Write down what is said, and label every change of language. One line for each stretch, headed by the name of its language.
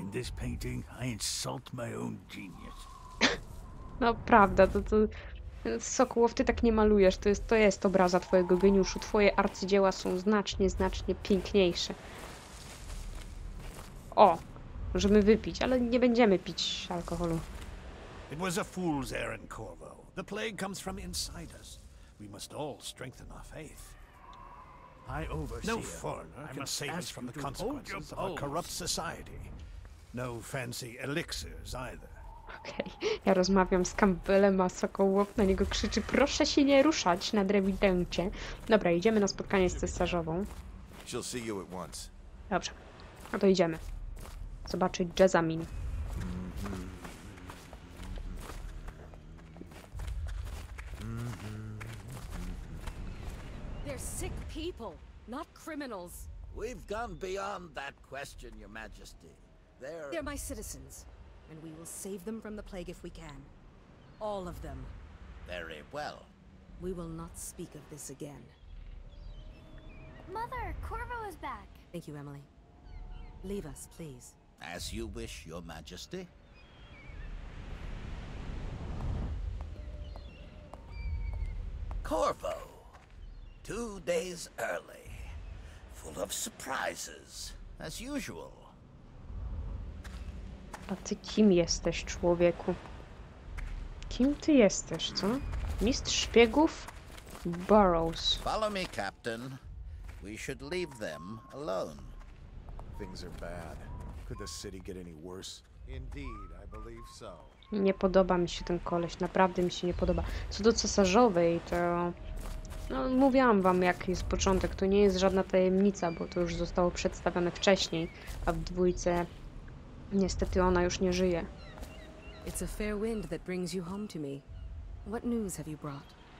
English: In this painting, I insult my own genius.
Polish: No prawda, to... Sokołow, ty tak nie malujesz, to jest obraza twojego geniuszu. Twoje arcydzieła są znacznie, znacznie piękniejsze. O, możemy wypić, ale nie będziemy pić alkoholu.
English: It was a fool's errand, Corvo. The plague comes from inside us. We must all strengthen our faith. I oversee. No foreigner can save us from the consequences of a corrupt society. No fancy elixirs either. Okej, okay.
Polish: Ja rozmawiam z Campbellem, a Sokołow na niego krzyczy: proszę się nie ruszać na Drewidencie. Dobra, idziemy na spotkanie z cesarzową.
English: She'll see you at once.
Polish: Dobrze, no to idziemy. Zobaczyć Jessamyn.
English: Sick people, not criminals. We've gone beyond that question, Your Majesty. They're my citizens, and we will save them from the plague if we can. All of them. Very well. We will not speak of this again. Mother, Corvo is back. Thank you, Emily. Leave us, please. As you wish, Your Majesty. Corvo. 2 days early, full of surprises, as usual.
Polish: A ty kim jesteś, człowieku? Kim ty jesteś, co? Mistrz szpiegów? Burrows.
English: Follow me, Captain. We should leave them alone. Things are bad. Could the city get any worse? Indeed, I believe so.
Polish: Nie podoba mi się ten koleś, naprawdę mi się nie podoba. Co do cesarzowej, to... No, mówiłam wam, jaki jest początek. To nie jest żadna tajemnica, bo to już zostało przedstawione wcześniej, a w dwójce niestety ona już nie żyje.
English: It's a fair wind that brings you home to me. What news have you brought?